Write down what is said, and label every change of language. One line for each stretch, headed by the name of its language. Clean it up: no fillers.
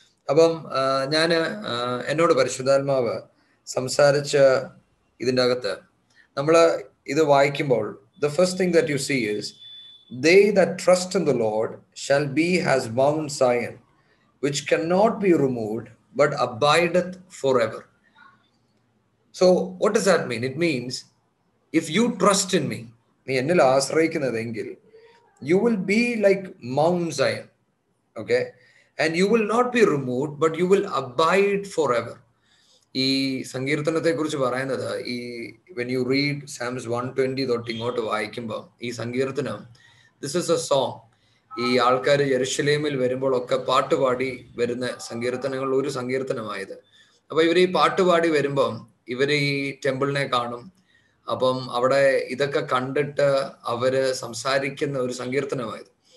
Malayalam: അപ്പം ഞാൻ എന്നോട് പരിശുദ്ധാത്മാവ് സംസാരിച്ച ഇതിൻ്റെ അകത്ത് നമ്മൾ ഇത് വായിക്കുമ്പോൾ,
English: The first thing that you see is They that trust in the Lord shall be as Mount Zion, which cannot be removed, but abideth forever. So what does that mean? It means, if you trust in me,
Malayalam: nee ennil aasrayikkunnathengil,
English: you will be like Mount Zion, okay? And you will not be removed, but you will abide forever.
Malayalam: ഈ സങ്കീർത്തനത്തെ കുറിച്ച് പറയുന്നത്, ഈ
English: when you read Psalms 120
Malayalam: തൊട്ട് ഇങ്ങോട്ട് വായിക്കുമ്പോൾ ഈ സങ്കീർത്തനം,
English: this is a song,
Malayalam: ഈ ആൾക്കാർ ജെറുസലേമിൽ വരുമ്പോൾ ഒക്കെ പാട്ടുപാടി വരുന്ന സങ്കീർത്തനങ്ങൾ ഒരു സങ്കീർത്തനമായത്. അപ്പൊ ഇവർ ഈ പാട്ടുപാടി വരുമ്പം ഇവർ ഈ ടെമ്പിളിനെ കാണും, അപ്പം അവിടെ ഇതൊക്കെ കണ്ടിട്ട് അവര് സംസാരിക്കുന്ന ഒരു സങ്കീർത്തനമായത്.